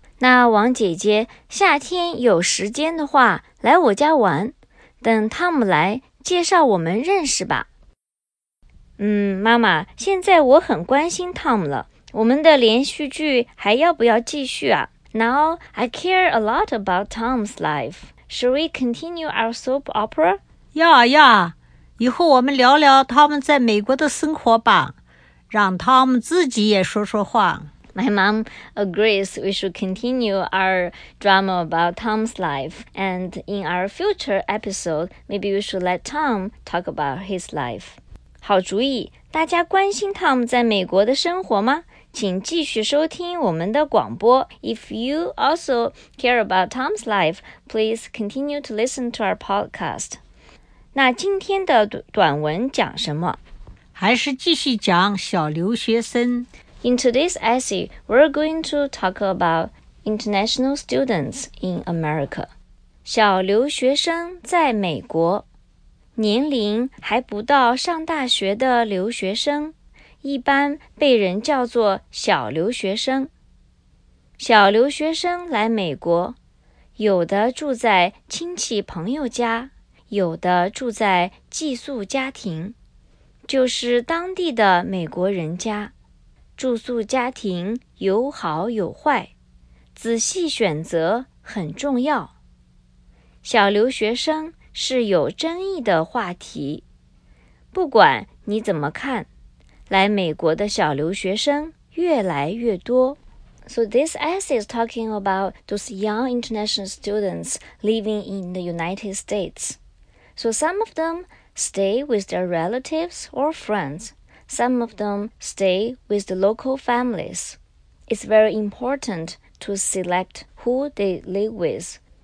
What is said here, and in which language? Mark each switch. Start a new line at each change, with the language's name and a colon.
Chinese: 那王姐姐，夏天有时间的话，来我家玩，等汤姆来，介绍我们认识吧。嗯，妈妈，现在我很关心汤姆了，我们的连续剧还要不要继续啊？
English: Now I care a lot about Tom's life. Shall we continue our soap opera?
Chinese: 要啊要啊，以后我们聊聊汤姆在美国的生活吧，让汤姆自己也说说话。
English: My mom agrees we should continue our drama about Tom's life. And in our future episode, maybe we should let Tom talk about his life.
Chinese: 好主意，大家关心 Tom 在美国的生活吗？请继续收听我们的广播。
English: If you also care about Tom's life, please continue to listen to our podcast.
Chinese: 那今天的短文讲什么？还是继续讲小留学生。
English: In today's essay, we're going to talk about international students in America.
Chinese: 小留学生在美国，年龄还不到上大学的留学生，一般被人叫做小留学生。小留学生来美国，有的住在亲戚朋友家，有的住在寄宿家庭，就是当地的美国人家。住宿家庭有好有坏，仔细选择很重要。小留学生是有争议的话题，不管你怎么看，来美国的小留学生越来越多。
English: So this essay is talking about those young international students living in the United States. So some of them stay with their relatives or friends. Some of them stay with the local families. It's very important to select who they live with.